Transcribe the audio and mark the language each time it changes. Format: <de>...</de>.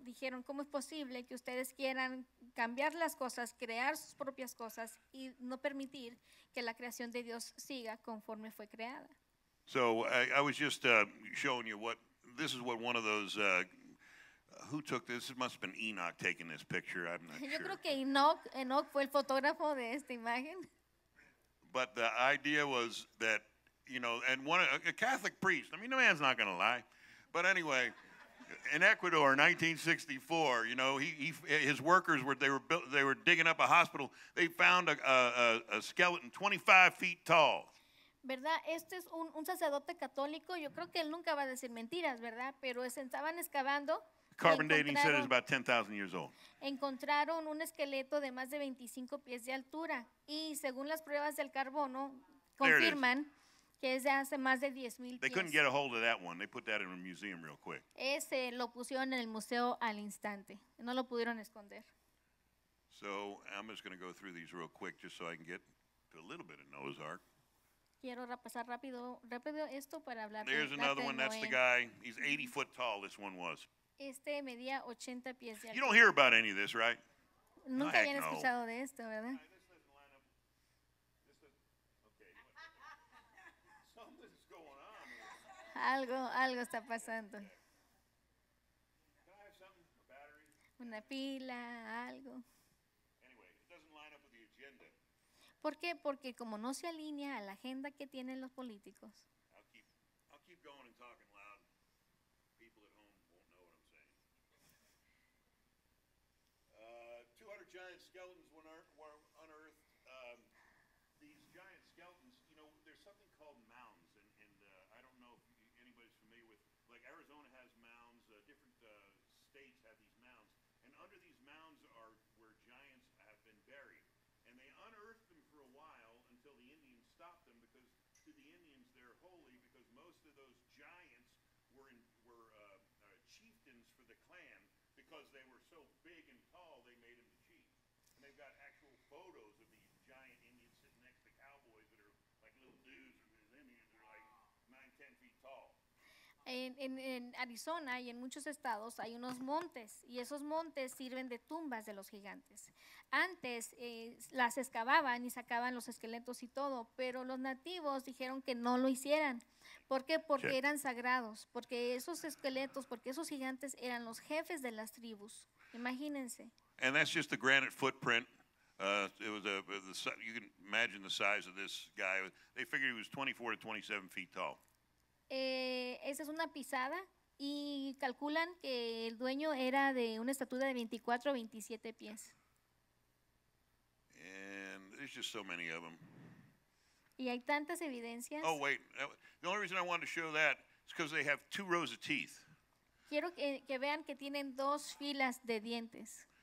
<es>Dijeron, ¿cómo es posible que ustedes quieran cambiar las cosas, crear sus propias cosas y no permitir que la creación de Dios siga conforme fue creada?</es> <en>So I was just showing you what, this is what one of those, who took this? It must have been Enoch taking this picture, I'm not sure.</en> <es>Yo creo que Enoch fue el fotógrafo de esta imagen.</es> <en>But the idea was that, you know, and one a Catholic priest, I mean, the man's not going to lie. But anyway, in Ecuador, 1964, you know, his workers were digging up a hospital. They found a skeleton 25 feet tall.</en> <es>¿Verdad? Este es un sacerdote católico. Yo creo que él nunca va a decir mentiras, ¿verdad? Pero estaban excavando. Carbon dating said it's about 10,000 years old. Encontraron un esqueleto de más de 25 pies de altura. Y según las pruebas del carbono, confirman. Que es de hace más de 10,000 pies.</es> <en>They couldn't get a hold of that one. They put that in a museum real quick.</en> <es>Ese lo pusieron en el museo al instante. No lo pudieron esconder.</es> <en>So I'm just going to go through these real quick just so I can get to a little bit of Noah's Ark.</en> <es>Quiero pasar rápido esto para hablar.</es> <en>There's another one. That's the guy. He's 80 foot tall, this one was.</en> <es>Este medía 80 pies de altura.</es> <en>You don't hear about any of this, right?</en> <es>Nunca habían escuchado de esto, ¿verdad? Algo está pasando. Una pila, algo.</es> <en>Anyway, it doesn't line up with the agenda.</en> <es>¿Por qué? Porque como no se alinea a la agenda que tienen los políticos.</es> <en>I'll keep going and talking loud. People at home won't know what I'm saying. 200 giant skeletons were unearthed. These giant skeletons, you know, there's something called mounds, and I don't know if anybody's familiar with, like Arizona has mounds, different states have these mounds, and under these mounds are where giants have been buried, and they unearthed them for a while until the Indians stopped them, because to the Indians they're holy, because most of those giants were chieftains for the clan, because they were so big and tall they made them the chief, and they've got actual photos of these giant Indians sitting next to cowboys that are like little dudes, and these Indians are like 9-10 feet tall.</en> <es>En Arizona y en muchos estados hay unos montes, y esos montes sirven de tumbas de los gigantes. Antes las excavaban y sacaban los esqueletos y todo, pero los nativos dijeron que no lo hicieran. ¿Por qué? Porque eran sagrados, porque esos esqueletos, porque esos gigantes eran los jefes de las tribus. Imagínense.</es> <en>And that's just the granite footprint. It was you can imagine the size of this guy. They figured he was 24 to 27 feet tall.</en> <es>Esa es una pisada y calculan que el dueño era de una estatura de 24 o 27 pies.</es> <en>And there's just so many of them.</en> <es>Y hay tantas evidencias.</es> <en>Oh, wait. The only reason I wanted to show that is because they have two rows of teeth.</en> <es>Quiero que vean que tienen dos filas de dientes.</es>